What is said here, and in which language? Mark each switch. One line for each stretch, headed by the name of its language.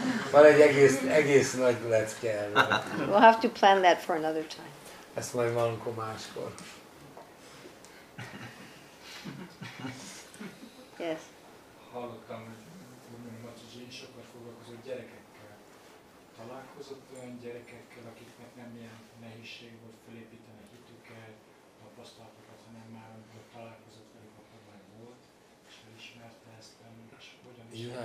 Hungarian: Van egy egész nagy lecke.
English: We'll have to plan that for another time.
Hungarian: Ezt majd valamikor máskor.
English: Yes.
Hungarian: Hallottam, hogy Matyzsi sokat foglalkozott gyerekekkel. Találkozott olyan gyerekekkel, akiknek nem ilyen nehézség volt felépíteni hitüket, tapasztalatokat, hanem már amikor találkozott velük, akkor már volt, és felismerte ezt, és hogyan is...